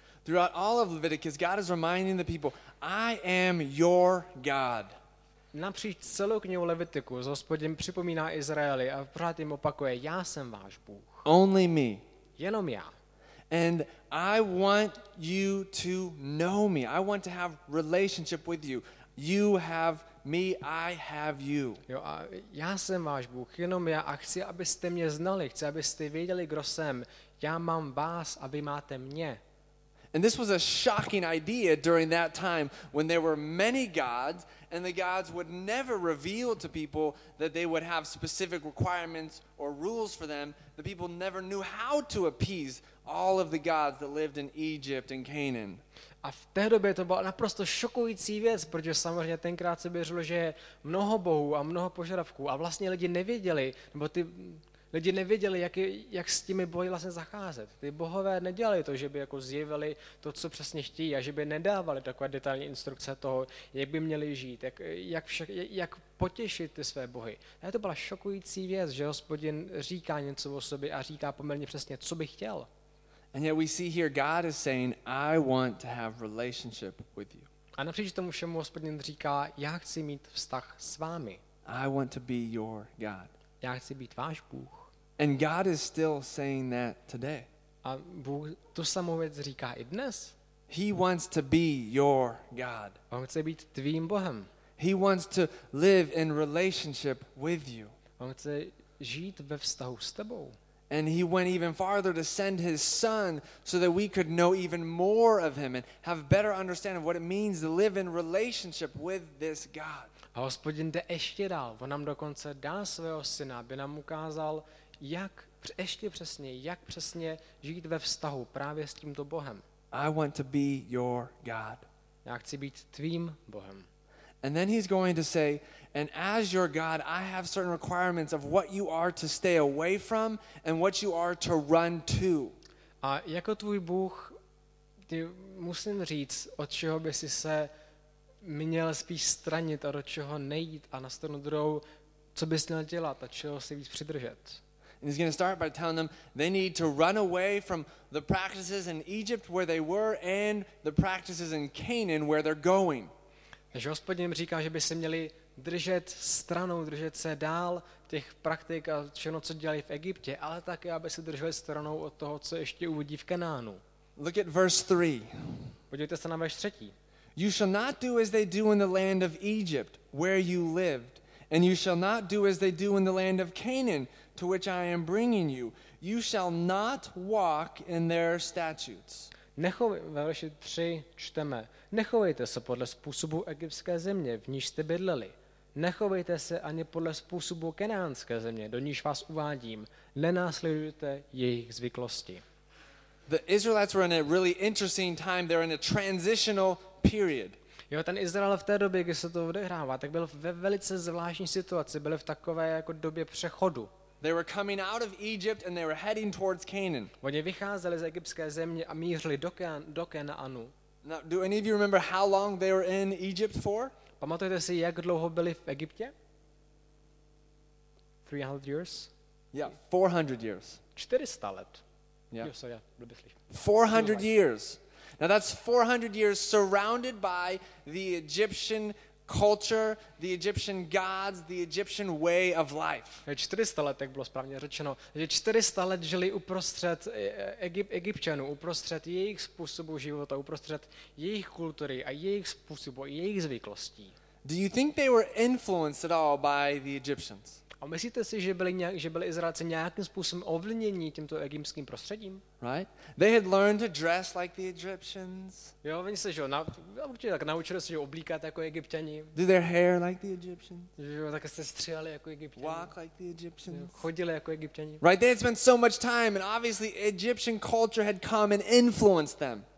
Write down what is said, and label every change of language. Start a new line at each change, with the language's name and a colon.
English: Throughout all of Leviticus, God is reminding the people, I am your God.
Czech: Napříč celou knihu Levitiku, Hospodin připomíná Izraeli a pořád jim opakuje, já jsem váš Bůh.
English: Only me.
Czech: Jenom já.
English: And I want you to know me. I want to have relationship with you. You have me, I have you.
Czech: Jo, a já jsem váš Bůh, jenom já a chci, abyste mě znali, chci, abyste věděli, kdo jsem. Já mám vás a vy máte mě.
English: And this was a shocking idea during that time when there were many gods and the gods would never reveal to people that they would have specific requirements or rules for them. The people never knew how to appease all of the gods that lived in Egypt and Canaan.
Czech: A v té době to byla naprosto šokující věc, protože samozřejmě tenkrát se věřilo, že je mnoho bohů a mnoho požadavků a vlastně lidi nevěděli, jak s těmi bohy vlastně zacházet. Ty bohové nedělali to, že by jako zjevili to, co přesně chtějí, a že by nedávali takové detailní instrukce toho, jak by měli žít, jak potěšit ty své bohy. A to byla šokující věc, že Hospodin říká něco o sobě a říká poměrně přesně, co by chtěl.
English: And yet we see here God is saying, I want to have relationship with you.
Czech: A napříč tomu všemu Hospodin říká, já chci mít vztah s vámi.
English: I want to be your God.
Czech: Já chci být váš Bůh.
English: And God is still saying that today.
Czech: A Bůh tu samou věc říká i dnes.
English: He wants to be your God.
Czech: On chce být tvým Bohem.
English: He wants to live in relationship with you.
Czech: On chce žít ve vztahu s tebou.
English: And he went even farther to send his son so that we could know even more of him and have better understanding of what it means to live in relationship with this God.
Czech: A Hospodin jde ještě dál. On nám dokonce dá svého syna, aby nám ukázal, jak ještě přesně, jak přesně žít ve vztahu právě s tímto Bohem.
English: I want to be your God.
Czech: Já chci být tvým Bohem.
English: And then he's going to say, and as your God, I have certain requirements of what you are to stay away from and what you are to run to.
Czech: A jako tvůj Bůh, ty musím říct, od čeho by si se měl spíš stranit a do čeho nejít a na stranu druhou, co bys měl dělat a čeho si víc přidržet.
English: And he's going to start by telling them they need to run away from the practices in Egypt where they were and the practices in Canaan where they're going.
Czech: Takže Hospodin jim říká, že by se měli držet stranou, držet se dál těch praktik a všechno, co dělali v Egyptě, ale také, aby se drželi stranou od toho, co ještě uvidí v Kanánu.
English: Look at verse 3.
Czech: Podívejte se na verš 3.
English: You shall not do as they do in the land of Egypt, where you lived, and you shall not do as they do in the land of Canaan, to which I am bringing you. You shall not walk in their statutes.
Czech: Ve verši 3 čteme, nechovejte se podle způsobu egyptské země, v níž jste bydleli. Nechovejte se ani podle způsobu kenánské země, do níž vás uvádím. Nenásledujte jejich zvyklosti.
English: The Israelites were in a really interesting time. They're in a transitional period.
Czech: Jo, ten Izrael v té době, kdy se to odehrává, tak byl ve velice zvláštní situaci. Byl v takové jako době přechodu.
English: They were coming out of Egypt and they were heading towards Canaan.
Czech: Oni vycházeli z egyptské země a mířili do Kanaanu.
English: Now, do any of you remember how long they were in Egypt for?
Czech: Pamatujete si, jak dlouho byli v Egyptě?
English: 300 years? Yeah, 400 years.
Czech: 400 let.
English: Yeah.
Czech: Jo, sorry, blbě slyším.
English: 400 years. Now that's 400 years surrounded by the Egyptian culture, the Egyptian gods, the Egyptian way of life.
Czech: 400 let, jak bylo správně řečeno, že 400 let žili uprostřed Egypťanů, uprostřed jejich způsobu života, uprostřed jejich kultury a jejich způsobu, jejich zvyklostí.
English: Do you think they were influenced at all by the Egyptians?
Czech: A myslíte si, že byli Izraelci nějakým způsobem ovlivněni tímto egyptským prostředím?
English: Right? They had learned to dress like the Egyptians.
Czech: Jo, oni se, že jo, tak naučili se, že oblíkat jako Egypťani.
English: Do their hair like the Egyptians.
Czech: Jo, tak se stříhali jako Egypťani.
English: Walk like the Egyptians.
Czech: Chodili jako Egypťani.
English: Right? They had spent so much time and obviously Egyptian culture had come and influenced them.